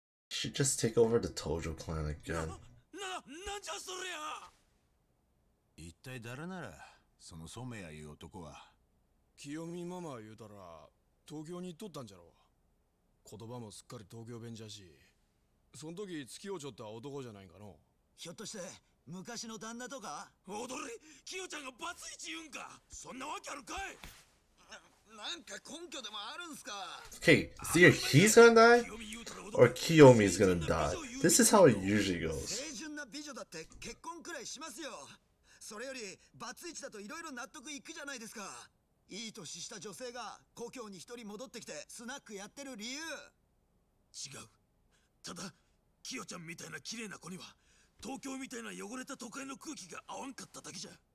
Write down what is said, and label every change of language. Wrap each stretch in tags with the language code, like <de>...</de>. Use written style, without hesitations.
<en>Should just take over the Tojo clan again.</en> <ja>なんじゃそりゃ。一体誰なら、その染谷いう男は。清美ママ言うたら、東京に行っとったんじゃろ。言葉もすっかり東京弁じゃし。その時付き合うちょった男じゃないかの。ひょっとして、昔の旦那とか。踊り、清ちゃんがバツイチ言うんか。そんなわけあるかい。</ja> <en>Okay, it's either he's gonna die or Kiyomi's gonna die. This is how it usually goes.</en> <ja>清純な美女だって結婚くらいしますよ。それよりバツイチだといろいろ納得いくじゃないですか。いい年した女性が故郷に一人戻ってきてスナックやってる理由。違う。ただキヨちゃんみたいな綺麗な子には東京みたいな汚れた都会の空気が合わんかっただけじゃ。</ja>